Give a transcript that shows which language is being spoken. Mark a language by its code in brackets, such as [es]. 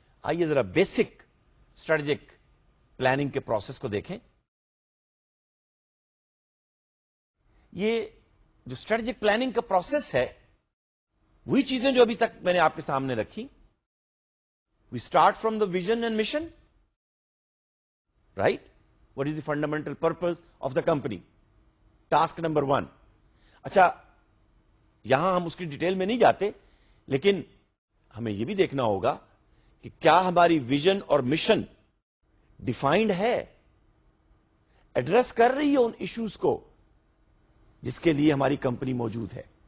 [ur] آئیے ذرا basic strategic planning کے پروسیس کو دیکھیں. یہ جو اسٹریٹجک پلاننگ کا پروسیس ہے، وہی چیزیں جو ابھی تک میں نے آپ کے سامنے رکھی. [en] We start from the vision and mission, right? What is the fundamental purpose of the company, task number one. [ur] اچھا، یہاں ہم اس کی ڈیٹیل میں نہیں جاتے، لیکن ہمیں یہ بھی دیکھنا ہوگا کہ کیا ہماری ویژن اور مشن ڈیفائنڈ ہے، ایڈریس کر رہی ہے ان ایشوز کو جس کے لیے ہماری کمپنی موجود ہے.